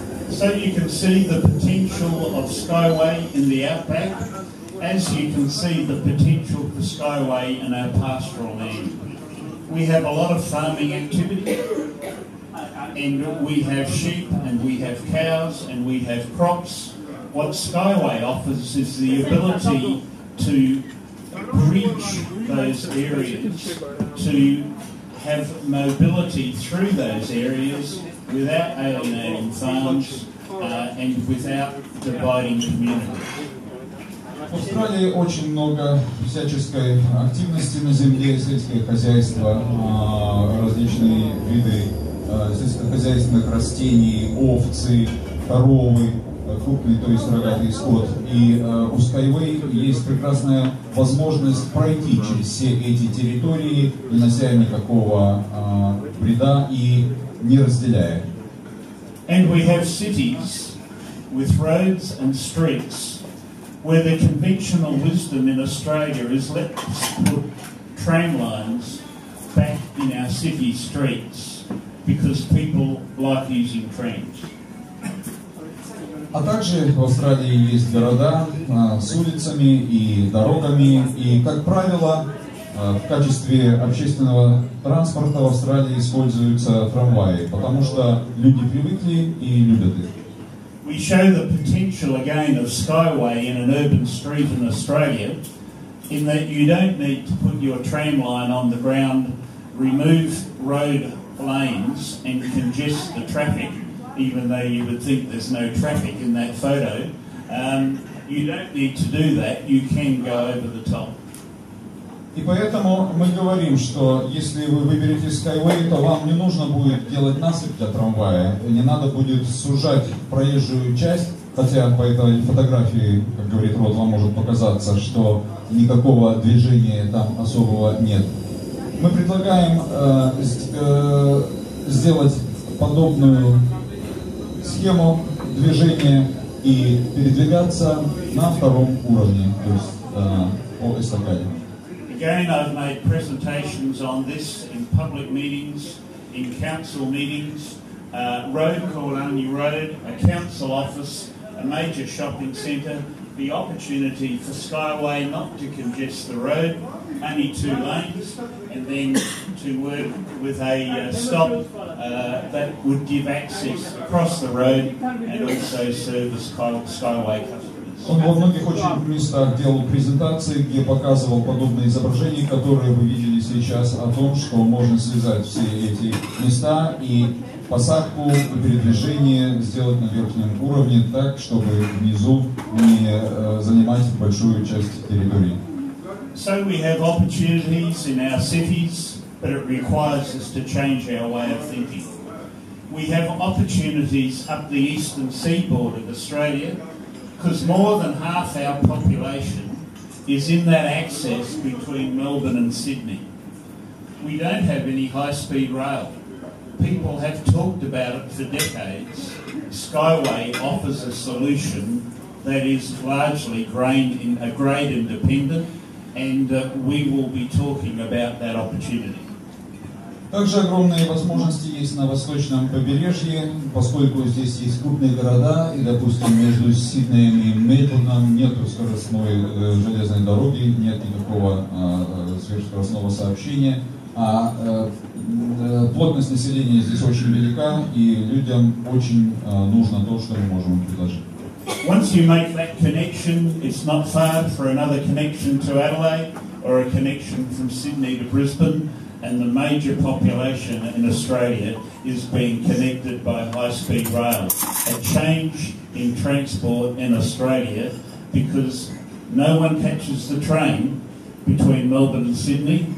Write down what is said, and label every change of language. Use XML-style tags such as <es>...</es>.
<en>So you can see the potential of SkyWay in the outback, as you can see the potential for SkyWay in our pastoral land. We have a lot of farming activity, and we have sheep, and we have cows, and we have crops. What SkyWay offers is the ability to bridge those areas, to have mobility through those areas without alienating farms and without dividing communities.</en> <ru>В Австралии очень много всяческой активности на земле, сельское хозяйство, различные виды сельскохозяйственных растений, овцы, коровы, крупный, то есть рогатый скот. И у SkyWay есть прекрасная возможность пройти через все эти территории, не нанося никакого вреда и не разделяя.</ru> <en>And we have cities with roads and streets where the conventional wisdom in Australia is let's put tram lines back in our city streets because people like using trams.</en> <ru>А также в Австралии есть города с улицами и дорогами, и, как правило, в качестве общественного транспорта в Австралии используются трамваи, потому что люди привыкли и любят их.</ru> <en>We show the potential again of SkyWay in an urban street in Australia, in that you don't need to put your tram line on the ground, remove road lanes and congest the traffic, even though you would think there's no traffic in that photo. You don't need to do that, you can go over the top.</en> <ru>И поэтому мы говорим, что если вы выберете SkyWay, то вам не нужно будет делать насыпь для трамвая, не надо будет сужать проезжую часть, хотя по этой фотографии, как говорит Род, вам может показаться, что никакого движения там особого нет. Мы предлагаем сделать подобную схему движения и передвигаться на втором уровне, то есть по эстакаде.</ru> <en>Again, I've made presentations on this in public meetings, in council meetings, road called Only Road, a council office, a major shopping centre, the opportunity for SkyWay not to congest the road, only two lanes, and then to work with a stop that would give access across the road and also service SkyWay customers.</en> <ru>Он во многих очень местах делал презентации, где показывал подобные изображения, которые вы видели сейчас, о том, что можно связать все эти места и посадку, и передвижение сделать на верхнем уровне так, чтобы внизу не занимать большую часть территории.</ru> <en>So we have opportunities in our cities, but it requires us to change our way of thinking. We have opportunities up the eastern seaboard of Australia, because more than half our population is in that access between Melbourne and Sydney. We don't have any high-speed rail. People have talked about it for decades. SkyWay offers a solution that is largely grade independent, and we will be talking about that opportunity.</en> <ru>Также огромные возможности есть на восточном побережье, поскольку здесь есть крупные города, и, допустим, между Сиднеем и Мельбурном нет скоростной железной дороги, нет никакого сверхскоростного сообщения, а плотность населения здесь очень велика, и людям очень нужно то, что мы можем предложить.</ru> <en>Once you make that connection, it's not far for another connection to Adelaide or a connection from Sydney to Brisbane. And the major population in Australia is being connected by high-speed rail. A change in transport in Australia, because no one catches the train between Melbourne and Sydney.</en>